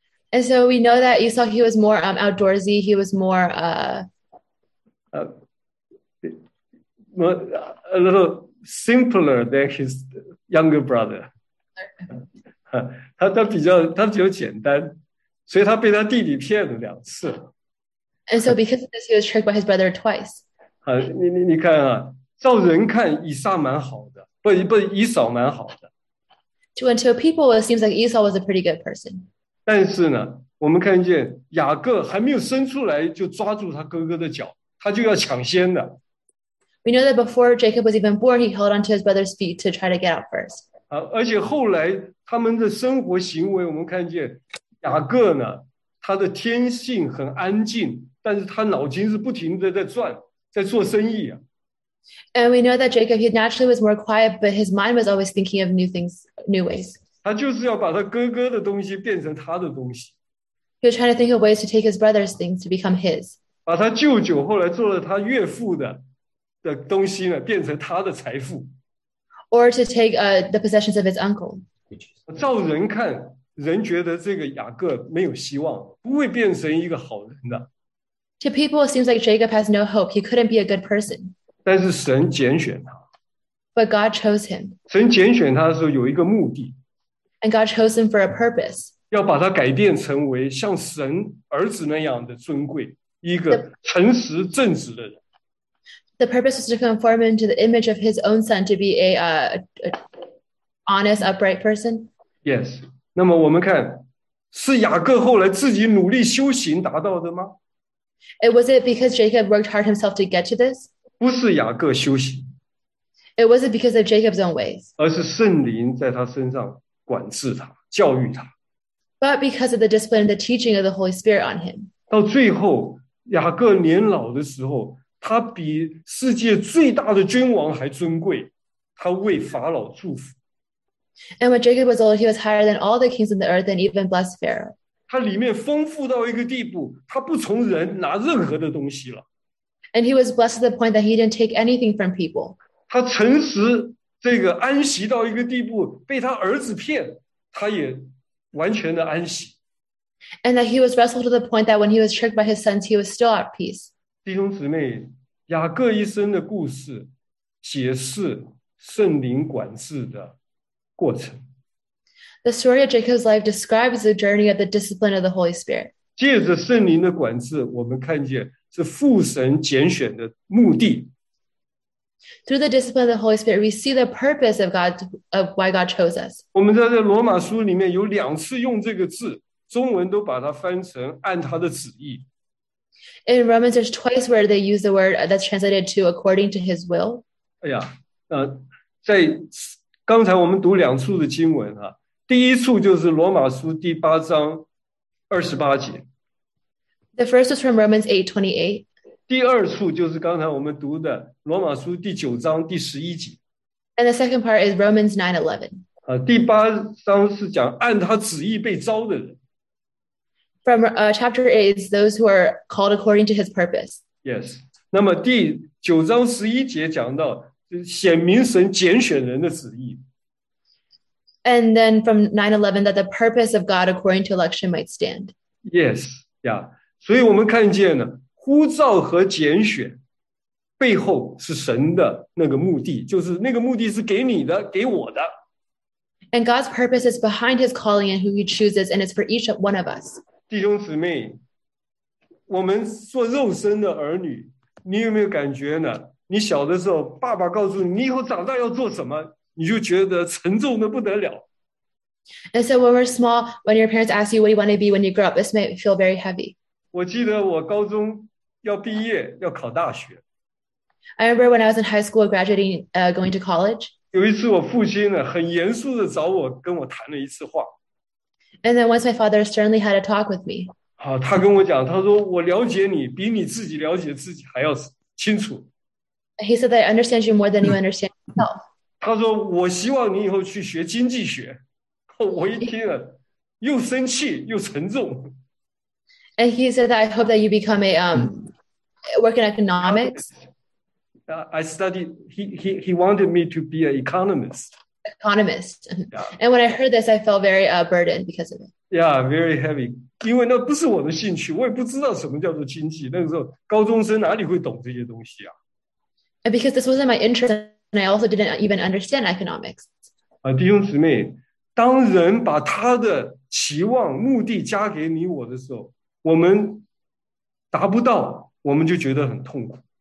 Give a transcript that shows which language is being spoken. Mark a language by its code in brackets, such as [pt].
[en] And so we know that Esau, he was more outdoorsy, he was more a little simpler than his younger brother. [zh] 他比较简单，所以他被他弟弟骗了两次。 [en] And so because of this, he was tricked by his brother twice. [zh] 你看啊，照人看以撒蛮好的，不以扫蛮好的。 [en] To people, it seems like Esau was a pretty good person. [zh] 但是呢，我们看见雅各还没有生出来，就抓住他哥哥的脚，他就要抢先的。 [en] We know that before Jacob was even born, he held onto his brother's feet to try to get out first. [zh] 而且后来他们的生活行为，我们看见雅各呢，他的天性很安静，但是他脑筋是不停的在转，在做生意啊。 [en] And we know that Jacob, he naturally was more quiet, but his mind was always thinking of new things, new ways. [zh] 他就是要把他哥哥的东西变成他的东西。 [en] He was trying to think of ways to take his brother's things to become his. [zh] 把他舅舅后来做了他岳父的东西呢，变成他的财富。 [en] Or to take the possessions of his uncle. [zh] 照人看，人觉得这个雅各没有希望，不会变成一个好人的。 [en] To people, it seems like Jacob has no hope. He couldn't be a good person. [zh] 但是神拣选他。 [en] But God chose him. [zh] 神拣选他的时候有一个目的。 [en] And God chose him for a purpose. [zh] 要把他改变成为像神儿子那样的尊贵，一个诚实正直的人。 [en] The purpose was to conform into the image of his own son to be an honest, upright person. Yes. [zh] 那么我们看，是雅各后来自己努力修行达到的吗？ [en] Was it because Jacob worked hard himself to get to this? [zh] 不是雅各修行。 [en] It wasn't because of Jacob's own ways. [zh] 而是圣灵在他身上。管制他，教育他。 [en] But because of the discipline and the teaching of the Holy Spirit on him. [zh] 到最后，雅各年老的时候，他比世界最大的君王还尊贵，他为法老祝福。 [en] And when Jacob was old, he was higher than all the kings on the earth and even blessed Pharaoh. [zh] 他里面丰富到一个地步，他不从人拿任何的东西了。 [en] And he was blessed to the point that he didn't take anything from people. [zh] 他诚实，这个安息到一个地步，被他儿子骗，他也完全的安息。 [en] And that he was restful to the point that when he was tricked by his sons, he was still at peace. [zh] 弟兄姊妹，雅各一生的故事，解释圣灵管制的过程。 [en] The story of Jacob's life describes the journey of the discipline of the Holy Spirit. [zh] 借着圣灵的管制，我们看见是父神拣选的目的。 [en] Through the discipline of the Holy Spirit, we see the purpose of God, of why God chose us. [zh] 我们在这罗马书里面有两次用这个字，中文都把它翻成按他的旨意。 [en] In Romans, there's twice where they use the word that's translated to according to his will. [zh] 哎呀，在刚才我们读两处的经文啊，第一处就是罗马书第八章二十八节。 [en] The first is from Romans 8:28. [zh] 第二处就是刚才我们读的罗马书第九章第十一节。 [en] And the second part is Romans 9:11. [zh] 第八章是讲按他旨意被召的人。 [en] From chapter 8 is those who are called according to his purpose. Yes. [zh] 那么第九章十一节讲到显明神拣选人的旨意。 [en] And then from 9:11, that the purpose of God according to election might stand. Yes, yeah. [zh] 所以我们看见呢，呼召和拣选背后是神的那个目的，就是那个目的是给你的，给我的。 [en] And God's purpose is behind his calling and who he chooses, and it's for each one of us. [zh] 弟兄姊妹，我们做肉身的儿女，你有没有感觉呢？你小的时候，爸爸告诉你，你以后长大要做什么？你就觉得沉重的不得了。 [en] And so when we're small, when your parents ask you what you want to be when you grow up, this may feel very heavy. [zh] 我记得我高中要毕业，要考大学。 [en] I remember when I was in high school graduating, going to college. [zh] 有一次我父亲呢，很严肃的找我，跟我谈了一次话。 [en] And then once my father sternly had a talk with me. [zh] 他跟我讲，他说我了解你，比你自己了解自己还要清楚。 [en] He said that I understand you more than you understand yourself. [zh] 他说：“我希望你以后去学经济学。” 我一听啊，又生气又沉重。 [en] And he said that I hope that you become a work in economics. I studied. He wanted me to be an economist. Economist. And when I heard this, I felt very burdened because of it. Yeah, very heavy. [zh] 因为那不是我的兴趣，我也不知道什么叫做经济。那个时候高中生哪里会懂这些东西啊 [en] ？And because this wasn't my interest. And I also didn't even understand economics. [zh] 弟兄姊妹，当人把他的期望、目的加给你我的时候，我们达不到，我们就觉得很痛苦。